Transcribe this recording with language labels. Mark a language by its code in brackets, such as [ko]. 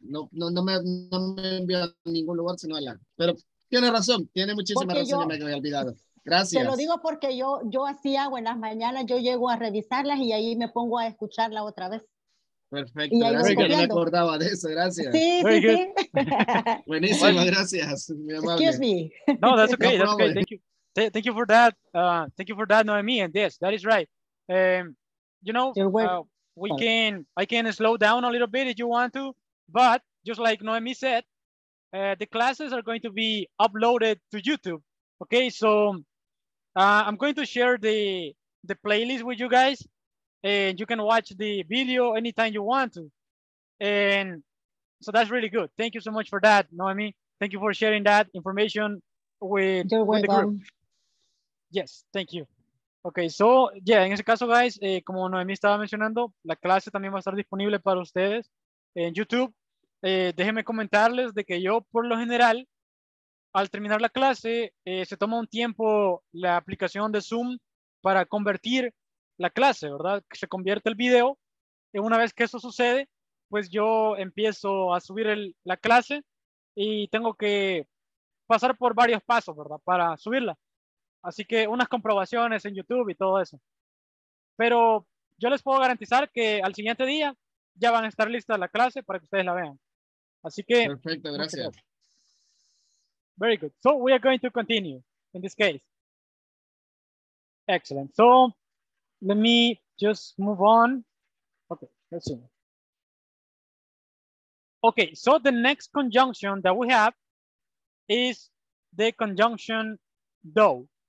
[es] No me envió a ningún lugar, sino a la. Pero tiene razón, tiene muchísima porque razón, yo me había olvidado. Gracias. Te lo digo porque yo así hago en las mañanas, yo llego a revisarlas y ahí me pongo a escucharla otra vez. Perfecto, gracias, que no me acordaba de eso, gracias. Sí, sí, sí. Buenísimo, bueno, gracias, mi amable. [en] Excuse me. No, that's okay, no, that's okay, thank you. Thank you for that, thank you for that, Noemi, and yes, that is right. You know, I can slow down a little bit if you want to, but just like Noemi said, the classes are going to be uploaded to YouTube, okay? So I'm going to share the playlist with you guys. And you can watch the video anytime you want to. And so that's really good. Thank you so much for that, Noemi. Thank you for sharing that information with the group. Yes, thank you. Okay, so yeah, [es] en ese caso, guys, como Noemi estaba mencionando, la clase también va a estar disponible para ustedes en YouTube. Déjenme comentarles de que yo, por lo general, al terminar la clase, se toma un tiempo la aplicación de Zoom para convertir la clase, ¿verdad? Que se convierte el video. Y una vez que eso sucede, pues yo empiezo a subir la clase y tengo que pasar por varios pasos, ¿verdad? Para subirla. Así que unas comprobaciones en YouTube y todo eso. Pero yo les puedo garantizar que al siguiente día ya van a estar listas la clase para que ustedes la vean. Así que. Perfecto, gracias. [en] Very good. So we are going to continue in this case. Excellent. So. Let me just move on. Okay, let's see. Okay, so the next conjunction that we have is the conjunction though.